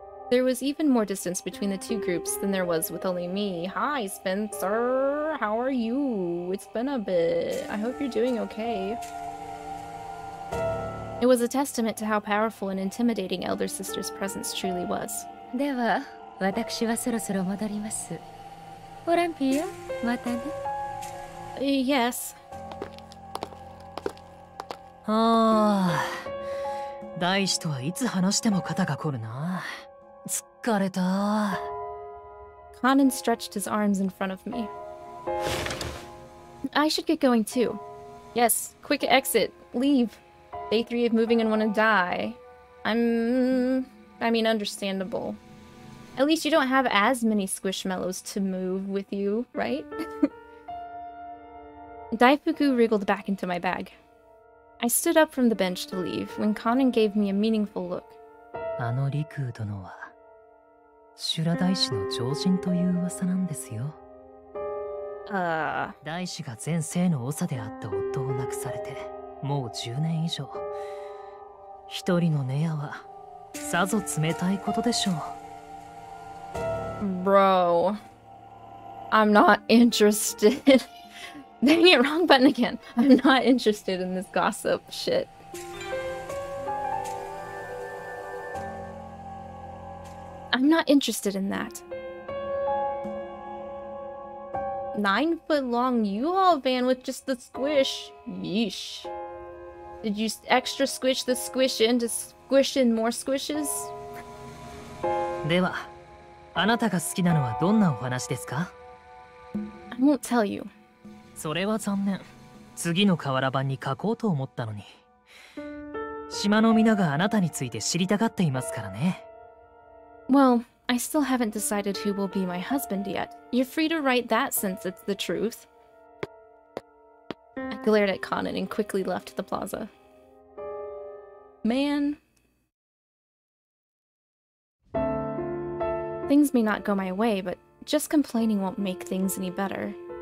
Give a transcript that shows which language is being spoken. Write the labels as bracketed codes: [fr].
[en] There was even more distance between the two groups than there was with only me. Hi, Spencer! How are you? It's been a bit. I hope you're doing okay. It was a testament to how powerful and intimidating Elder Sister's presence truly was. [ja] では、私はそろそろ戻ります。オランピア、またね。 [en] Yes. [ja] ああ、大師とはいつ話しても肩が凝るな。疲れた。 [en] Kanan stretched his arms in front of me. I should get going too. Yes, quick exit. Leave. Day three of moving and want to die. I mean, understandable. At least you don't have as many squishmallows to move with you, right? Daifuku wriggled back into my bag. I stood up from the bench to leave when Kanan gave me a meaningful look. [ja] あのリクー殿は修羅大師の常人という噂なんですよ。大師が前世の長であった夫を亡くされて。もう10年以上一人のネアはさぞ冷たいことでしょう [en] Bro I'm not interested Dang it, wrong button again I'm not interested in this gossip shit I'm not interested in that. 9 foot long U-Haul van with just the squish. Yeesh. Did you extra squish the squish in to squish in more squishes? [ja] では、あなたが好きなのはどんなお話ですか? [en] I won't tell you. [ja] それは残念。次の河原版に書こうと思ったのに。島の皆があなたについて知りたがっていますからね。 [en] Well, I still haven't decided who will be my husband yet. You're free to write that since it's the truth. I glared at Conan and quickly left the plaza. Man. Things may not go my way, but just complaining won't make things any better.